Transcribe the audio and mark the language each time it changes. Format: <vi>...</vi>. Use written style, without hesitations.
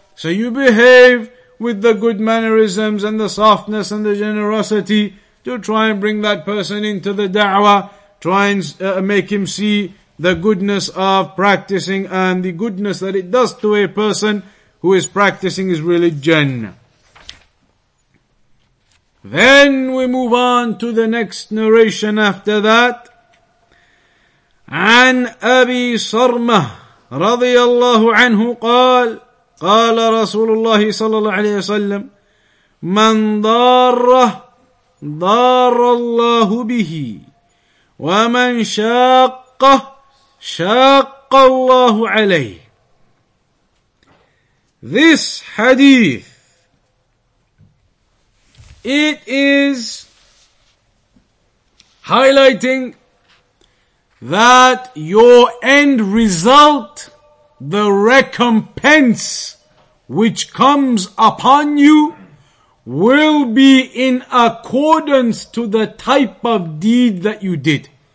<en>So you behave with the good mannerisms and the softness and the generosity to try and bring that person into the da'wah, try and make him see the goodness of practicing and the goodness that it does to a person who is practicing his religion. Then we move on to the next narration after that.</en> <ar>عن أبي صرمة رضي الله عنه قال قال رسول الله صلى الله عليه وسلم من ضاره ضار الله به ومن شاقه شاق الله عليه.</ar> <en>This hadith, it is highlighting that your end result, the recompense which comes upon you, will be in accordance to the type of deed that you did.</en>